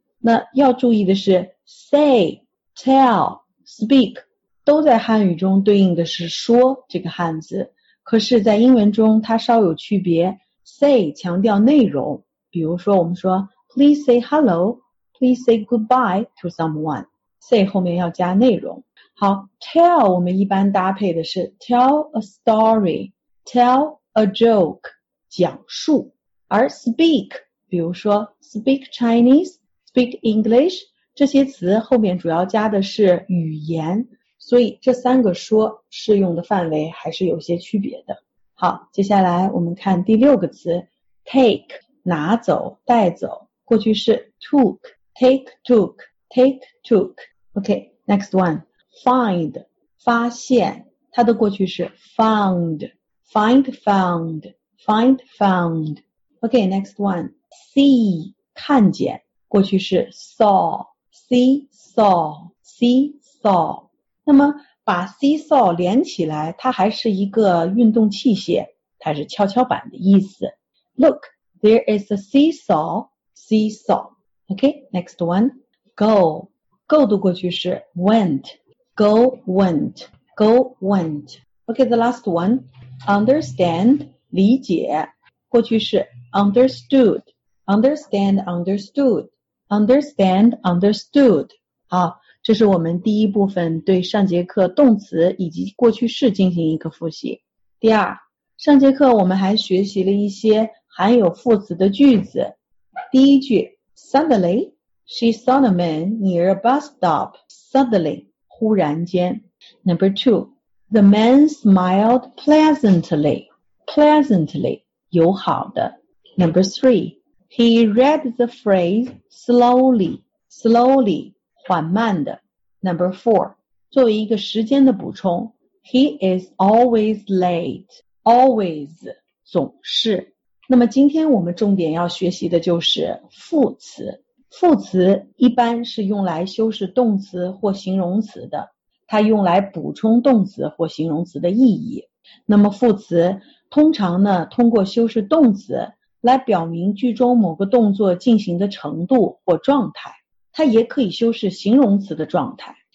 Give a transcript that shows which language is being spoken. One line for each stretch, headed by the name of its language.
Chinese: 那要注意的是 say， tell， speak都在汉语中对应的是说这个汉字，可是在英文中它稍有区别， say 强调内容，比如说我们说
English: please say hello， please say goodbye to someone，
Chinese: say 后面要加内容。好， tell 我们一般搭配的是
English: tell a story， tell a joke，
Chinese: 讲述。而 speak， 比如说
English: speak Chinese， speak English，
Chinese: 这些词后面主要加的是语言，所以这三个说适用的范围还是有些区别的。好，接下来我们看第六个词， take， 拿走，带走，过去式 took， take took， take took。
English: OK， next one， find，
Chinese: 发现，它的过去式
English: found， find found， find found。 OK， next one， see，
Chinese: 看见，过去式
English: saw， see saw， see saw。
Chinese: 那么把 seesaw 连起来，它还是一个运动器械，它是跷跷板的意思。
English: Look, there is a seesaw, seesaw. OK, next one, go. Go
Chinese: 的过去式
English: went, go went, go went. OK, the last one, understand,
Chinese: 理解，过去式
English: understood, understand, understood, understand, understood.
Chinese: 好，这是我们第一部分对上节课动词以及过去式进行一个复习。第二，上节课我们还学习了一些含有副词的句子。第一句
English: ,suddenly, she saw the man near a bus stop, suddenly,
Chinese: 忽然间。
English: Number two, the man smiled pleasantly, pleasantly,
Chinese: 友好的。
English: Number three, he read the phrase slowly, slowly,
Chinese: 缓慢的。
English: Number four，
Chinese: 作为一个时间的补充，
English: He is always late， always，
Chinese: 总是。那么今天我们重点要学习的就是副词。副词一般是用来修饰动词或形容词的，它用来补充动词或形容词的意义。那么副词通常呢，通过修饰动词来表明句中某个动作进行的程度或状态，它也可以修饰形容词的状态。